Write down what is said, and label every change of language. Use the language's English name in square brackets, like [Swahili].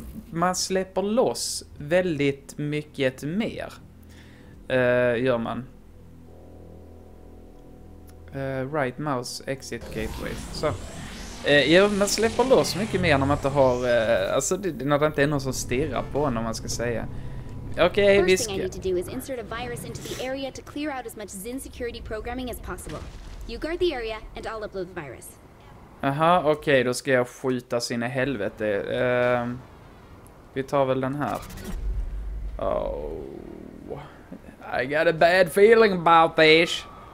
[Swedish] Man släpper loss väldigt mycket mer. Gör man. [English] Right mouse exit gateway. [Swedish] Så. Man släpper loss mycket mer när man inte har... när det inte är någon som stirrar på en, om man ska säga. Okej, vi ska... [English] First thing I need to do is insert a virus into the area to clear out as much Zin security programming as possible. You guard the area and I'll upload the virus. [Swedish] Aha, okej, då ska jag skjuta sin i helvete. Vi tar väl den här. [English] Oh, I got a bad feeling about this.